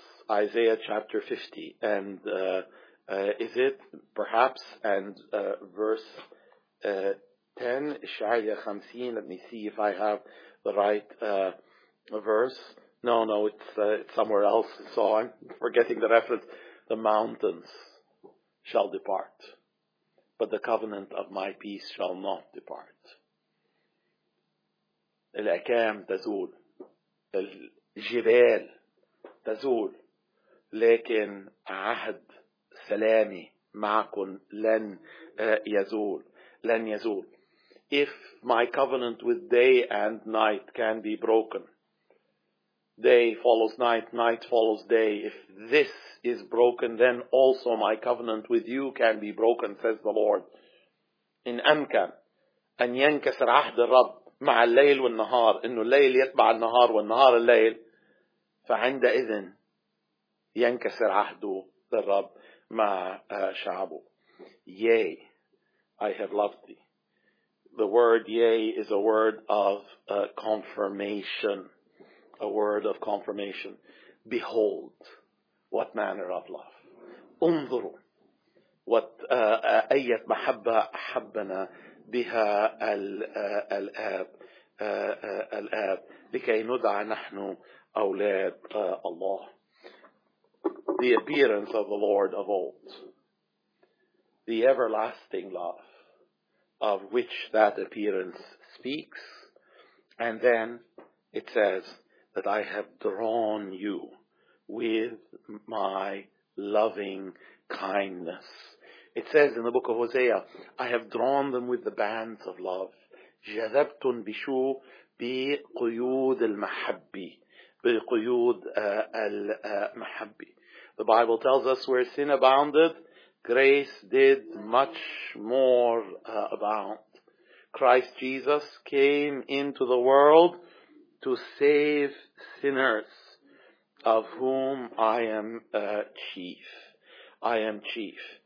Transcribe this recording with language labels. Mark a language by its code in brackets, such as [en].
[en] Isaiah chapter 50, and is it perhaps, and verse 10, Isaiah 50, let me see if I have the right verse. No, it's somewhere else, so I'm forgetting the reference. The mountains shall depart, but the covenant of my peace shall not depart. [ar] الأكام تزول, الجبال تزول. لكن عهد سلامي معكم لن يزول لن يزول. [en] If my covenant with day and night can be broken, day follows night, night follows day. If this is broken, then also my covenant with you can be broken, says the Lord. [ar] إن أمكن أن ينكسر عهد الرب مع الليل والنهار, إنه الليل يتبع النهار والنهار الليل, فعندئذ ينكسر عهده للرب مع شعبه. [en] Yea, I have loved thee. The word yea is a word of confirmation. A word of confirmation. Behold, what manner of love. [ar] انظروا what أية محبة أحبنا بها الآب. الآب لكي ندعى نحن أولاد الله. [en] The appearance of the Lord of old, the everlasting love of which that appearance speaks. And then it says that I have drawn you with my loving kindness. It says in the book of Hosea, I have drawn them with the bands of love. [ar] جذبتن بشو بقيود المحبي بقيود المحبي. [en] The Bible tells us where sin abounded, grace did much more abound. Christ Jesus came into the world to save sinners, of whom I am chief. I am chief.